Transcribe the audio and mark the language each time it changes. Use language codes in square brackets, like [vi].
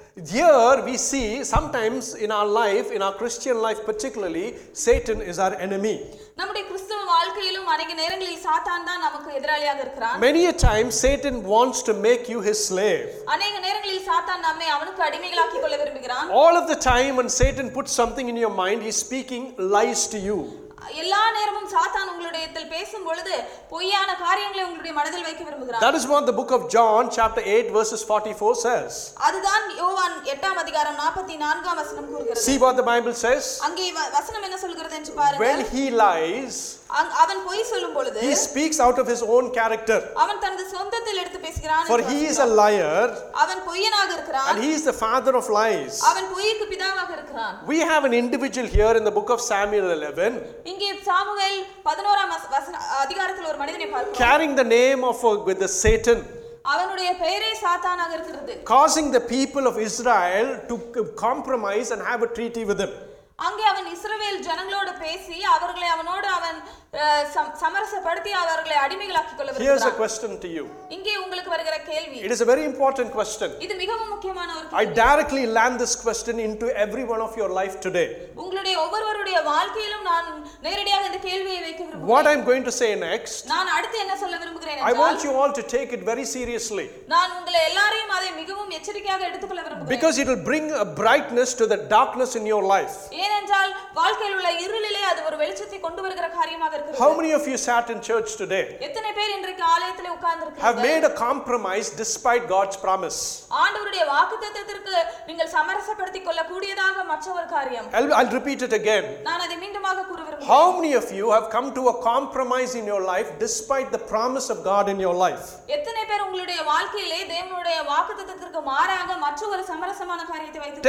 [en] Here we see sometimes in our life in our Christian life particularly Satan is our enemy. [ta] நம்முடைய கிறிஸ்தவ வாழ்க்கையிலும் அநேக நேரங்களில் சாத்தான் தான் நமக்கு எதிராளியாக இருக்கிறான். [en] Many a time Satan wants to make you his slave. [ta] அநேக நேரங்களில் சாத்தான் நம்மை அவனுக்கு அடிமைகளாக்கிக் கொள்ள விரும்புகிறான். [en] All of the time when Satan puts something in your mind he is speaking lies to you. [ta] எல்லா நேரமும் சாத்தான் உங்களுடைய இடத்தில் பேசும் பொழுது பொய்யான காரியங்களை உங்களுடைய மனதில் வைக்க விரும்புகிறார் [en] That is what the book of John chapter 8 verses 44 says [ta] அதுதான் யோவான் 8 அதிகாரம் 44 வசனம் கூறுகிறது [en] See what the Bible says [ta] அங்கே வசனம் என்ன சொல்கிறது என்று பாருங்கள் [en] When he lies [ta] அவன் பொய் சொல்லும் பொழுது [en] He speaks out of his own character [ta] அவன் தனது சொந்தத்தில் எடுத்து பேசுகிறான் [en] For he is a liar [ta] அவன் பொய்யனாக இருக்கிறான் [en] And he is the father of lies [ta] அவன் பொய்யுக்கு பிதாவாக இருக்கிறான் [en] We have an individual here in the book of Samuel 11 [ta] இங்கே சாமுவேல் 11 அதிகாரத்தில் ஒரு மனிதனை பார்க்கிறோம் [en] carrying the name of with the Satan [ta] அவனுடைய பெயரே சாத்தானாக இருக்கிறது [en] causing the people of Israel to compromise and have a treaty with him [ta] அங்கே அவன் இஸ்ரவேல் ஜனங்களோடு பேசி அவர்களை அவனோடு அவன் சமரசப்படுத்தி அவர்களை அடிமைகளாக்கிக் கொள்ள விரும்புகிறார் [en] Here's a question to you [ta] இங்கே உங்களுக்கு வருகிற கேள்வி [en] It is a very important question [ta] இது மிகவும் முக்கியமான ஒரு கேள்வி [en] I directly land this question into every one of your life today [ta] உங்களுடைய ஒவ்வொருவருடைய வாழ்க்கையிலும் நான் நேரடியாக இந்த கேள்வியை வைக்க விரும்புகிறேன் [en] What I'm going to say next [ta] நான் அடுத்து என்ன சொல்ல விரும்புகிறேன் [en] I want you all to take it very seriously [ta] நான் உங்களை எல்லாரையும் அதை மிகவும் எச்சரிக்கையாக எடுத்துக்கொள்ள விரும்புகிறேன் [en] Because it will bring a brightness to the darkness in your life [ta] ஏனென்றால் வாழ்க்கையில் உள்ள இருளிலே அது ஒரு வெளிச்சத்தை கொண்டு வருகிற காரியமாக இருக்கிறது [en] How many of you sat in church today? [ta] எத்தனை பேர் இன்றைக்கு ஆலயத்திலே உட்கார்ந்திருக்கீங்க? [en] Have made a compromise despite God's promise. [ta] ஆண்டவருடைய வாக்குத்தத்தத்திற்கு நீங்கள் சமரசப்படுத்திக் கொள்ள கூடியதாக மற்ற ஒரு காரியம். [en] I'll repeat it again. [ta] நான் அதை மீண்டுமாக கூறுகிறேன். [en] How many of you have come to a compromise in your life despite the promise of God in your life? [ta] எத்தனை பேர் உங்களுடைய வாழ்க்கையிலே தேவனுடைய வாக்குத்தத்தத்திற்கு மாறாக மற்ற ஒரு சமரசமான காரியத்தை வைத்து